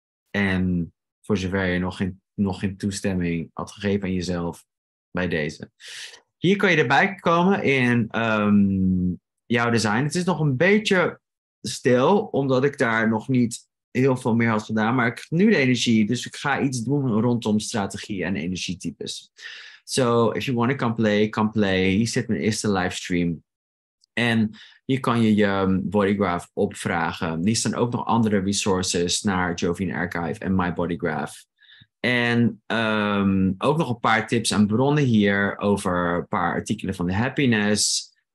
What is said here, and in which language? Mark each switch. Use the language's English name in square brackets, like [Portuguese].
[Dutch] En voor zover je nog geen toestemming had gegeven aan jezelf bij deze. Hier kan je erbij komen in jouw design. Het is nog een beetje stil, omdat ik daar nog niet heel veel meer had gedaan. Maar ik heb nu de energie, dus ik ga iets doen rondom strategie en energietypes. [English] So if you want to come play. [Dutch] Hier zit mijn eerste livestream. En hier kan je je bodygraph opvragen. Hier staan ook nog andere resources naar Jovian Archive en My Bodygraph. En ook nog een paar tips en bronnen hier over een paar artikelen van de happiness.